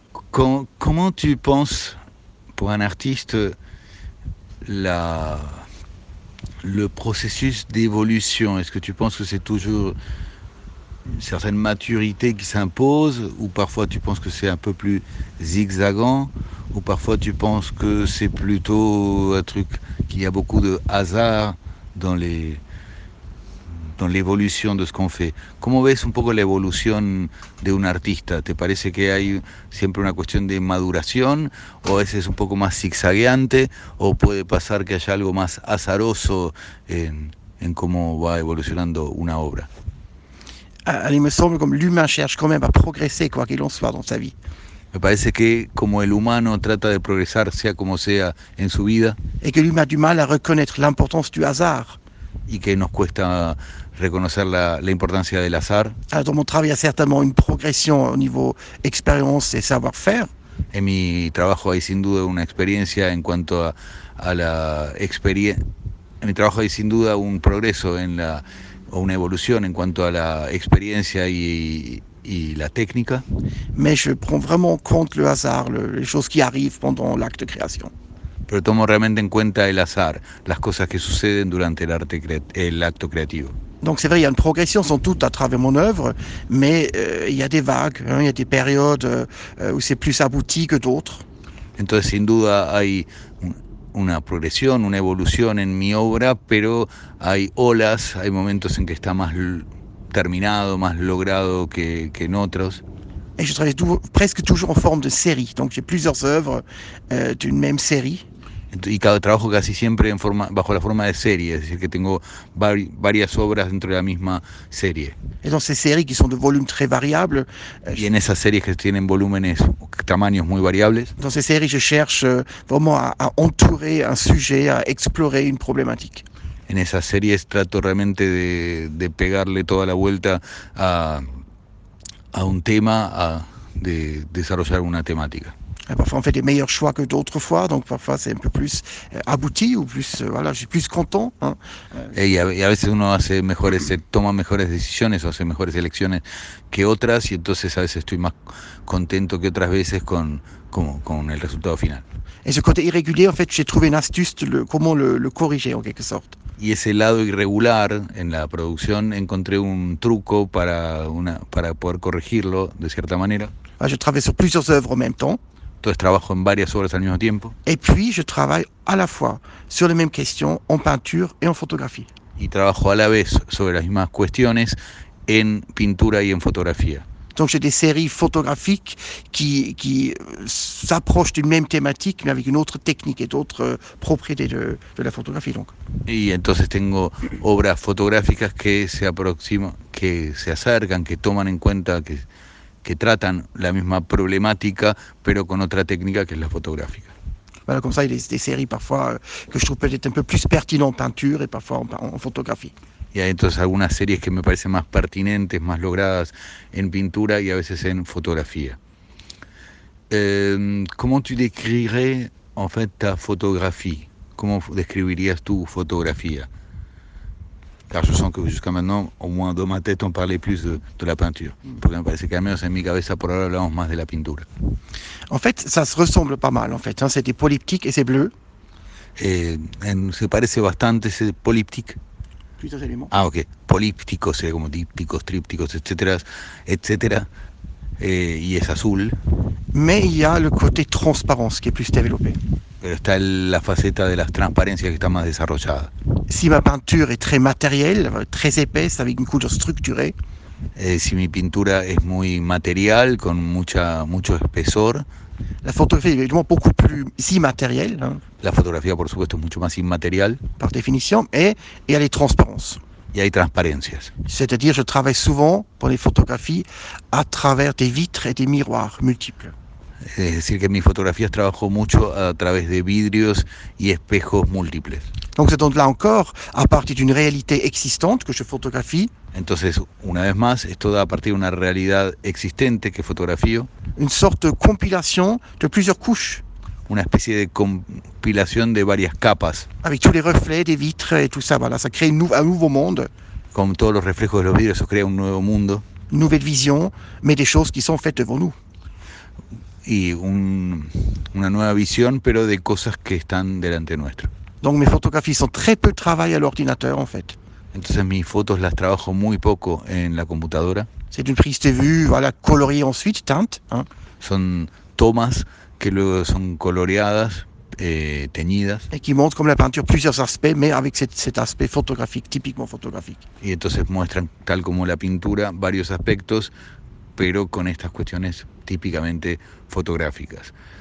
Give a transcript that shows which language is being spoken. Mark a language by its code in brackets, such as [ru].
[es] ¿Cómo tú piensas, para un artista, [fr] le processus d'évolution, est-ce que tu penses que c'est toujours une certaine maturité qui s'impose, ou parfois tu penses que c'est un peu plus zigzagant, ou parfois tu penses que c'est plutôt un truc qu'il y a beaucoup de hasard dans l'évolution de ce qu'on fait? Comment ves un peu l'évolution d'un artiste? [es] Te parece que hay siempre una cuestión de maduración, o a veces un poco más zigzagueante, o puede pasar que haya algo más azaroso en cómo va evolucionando una obra? [fr] Il me semble comme l'humain cherche quand même à progresser, quoi qu'il en soit, dans sa vie. [es] Me parece que como el humano trata de progresar sea como sea en su vida. [fr] Et que l'humain a du mal à reconnaître l'importance du hasard. [es] Y que nos cuesta reconocer la importancia del azar. [fr] Alors, dans mon travail, il y a certainement une progression au niveau expérience et savoir-faire. [es] En mi trabajo hay sin duda una experiencia en cuanto a la experiencia. En mi trabajo hay sin duda un progreso en la o una evolución en cuanto a la experiencia y la técnica. [fr] Mais je prends vraiment en compte le hasard, les choses qui arrivent pendant l'acte de création. [es] Pero tomo realmente en cuenta el azar, las cosas que suceden durante el arte el acto creativo. [fr] Donc c'est vrai, il y a une progression sans doute à travers mon œuvre, mais il y a des vagues, hein, il y a des périodes où c'est plus abouti que d'autres. [es] Entonces sin duda hay una progresión, una evolución en mi obra, pero hay olas, hay momentos en que está más terminado, más logrado que en otros. [fr] Et je travaille presque toujours en forme de série, donc j'ai plusieurs œuvres d'une même série. [es] Y trabajo casi siempre en forma, bajo la forma de serie, es decir, que tengo varias obras dentro de la misma serie. [fr] Et dans ces séries qui sont de volumes très variables. [es] Y en esas series que tienen volúmenes, tamaños muy variables. [fr] Dans ces séries, je cherche vraiment à entourer un sujet, à explorer une problématique. [es] En esas series trato realmente de pegarle toda la vuelta a un tema, a de desarrollar una temática. [fr] Parfois on fait des meilleurs choix que d'autres fois, donc parfois c'est un peu plus abouti ou plus voilà, je suis plus content. Hein. [es] Et à veces uno hace mejores, toma mejores decisiones o hace mejores elecciones que otras, y entonces a veces estoy más contento que otras veces con el resultado final. [fr] Et ce côté irrégulier, en fait, j'ai trouvé une astuce de comment le corriger en quelque sorte. [es] Y ese lado irregular en la producción encontré un truco para poder corregirlo de cierta manera. [fr] Ah, je travaille sur plusieurs œuvres en même temps. [es] Entonces trabajo en varias obras al mismo tiempo. [fr] Et puis je travaille à la fois sur les mêmes questions en peinture et en photographie. [es] Y trabajo a la vez sobre las mismas cuestiones en pintura y en fotografía. [fr] Donc j'ai des séries photographiques qui s'approchent d'une même thématique mais avec une autre technique et d'autres propriétés de la photographie donc. [es] Y entonces tengo obras fotográficas que se aproximan, que se acercan, que toman en cuenta que tratan la misma problemática pero con otra técnica que es la fotográfica. [fr] Voilà, comme ça, il y a des séries parfois que je trouve peut-être un peu plus pertinentes en peinture et parfois en photographie. [es] Y hay entonces algunas series que me parecen más pertinentes, más logradas en pintura y a veces en fotografía. ¿Cómo tú describirías, [fr] en fait, [es] tu fotografía? ¿Cómo describirías tu fotografía? [fr] Car je sens que jusqu'à maintenant, au moins dans ma tête, on parlait plus de la peinture. [es] Porque me parece que, al menos en mi cabeza, por ahora hablamos más de la pintura. [fr] En fait, ça se ressemble pas mal, en fait. Hein, c'est des polyptiques et c'est bleu. [es] Se parece bastante, [fr] c'est polyptique. Plusieurs éléments. Ah, ok. Políptico, c'est comme díptico, tríptico, etc. [es] Y es azul. [fr] Mais il y a le côté transparent, ce qui est plus développé. [es] Pero está la faceta de las transparencias que está más desarrollada. [fr] Si ma peinture est très matérielle, très épaisse, avec une couleur structurée. [es] Si mi pintura es muy material, con mucho espesor. [fr] La photographie est évidemment beaucoup plus immatérielle. Hein. [es] La fotografía, por supuesto, es mucho más inmaterial. [fr] Par définition, et elle est transparente. [es] Y hay transparencias. [fr] C'est-à-dire, je travaille souvent pour les photographies à travers des vitres et des miroirs multiples. [es] Es decir, que en mis fotografías trabajo mucho a través de vidrios y espejos múltiples. [fr] Donc, c'est donc là encore à partir d'une réalité existante que je photographie. [es] Entonces, una vez más, es todo a partir de una realidad existente que fotografío. [fr] Une sorte de compilation de plusieurs couches. [es] Una especie de compilación de varias capas. [fr] Avec tous les reflets des vitres et tout ça, voilà, ça crée un nouveau monde. [es] Con todos los reflejos de los vidrios, eso crea un nuevo mundo. [fr] Une nouvelle vision, mais des choses qui sont faites devant nous. [es] Y una nueva visión, pero de cosas que están delante nuestro. [fr] Donc mes photographies sont très peu travaillées à l'ordinateur en fait. [es] Entonces mis fotos las trabajo muy poco en la computadora. [fr] C'est une prise de vue, voilà, coloriée ensuite, teinte. Hein. [es] Son tomas que luego son coloreadas, teñidas. [fr] Et qui montrent comme la peinture plusieurs aspects, mais avec cet aspect photographique, typiquement photographique. [es] Y entonces muestran, tal como la pintura, varios aspectos, pero con estas cuestiones típicamente fotográficas.